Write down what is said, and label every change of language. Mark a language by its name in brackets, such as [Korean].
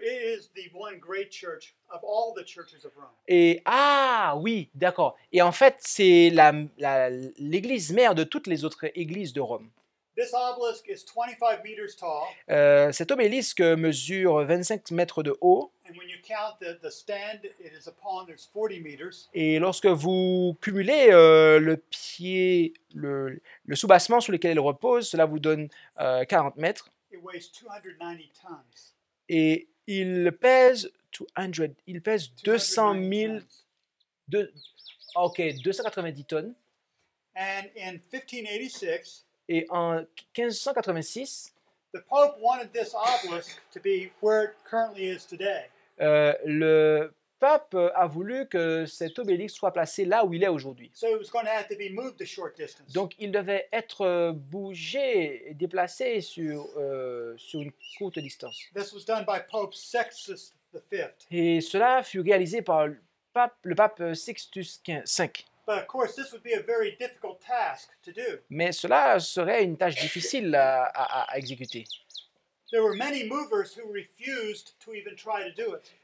[English] It is the one great church of all the churches of Rome. [French] Et oui, d'accord. Et en fait, c'est l'Église mère de toutes les autres églises de Rome. [English] This obelisk is 25 meters tall. [French] Cet obélisque mesure 25 mètres de haut. [English] And when you count the stand it is upon, there's 40 meters. [French] Et lorsque vous cumulez le pied, le soubassement sur lequel il repose, cela vous donne 40 mètres. [English] It weighs 290 tons. [French] Et il pèse 200 000, okay, 290 tonnes. [English] And in 1586, [French] et en 1586, [English] the Pope wanted this obelisk to be where it currently is today. [French] Le pape a voulu que cet obélisque soit placé là où il est aujourd'hui. [English] So it was going to have to be moved a short distance. [French] Donc il devait être bougé, déplacé sur une courte distance. [English] This was done by Pope Sextus V. [French] Et cela fut réalisé par le pape Sextus V. [English] But of course, this would be a very difficult task to do. [French] Mais cela serait une tâche difficile à exécuter. [English] There were many movers who refused to even try to do it.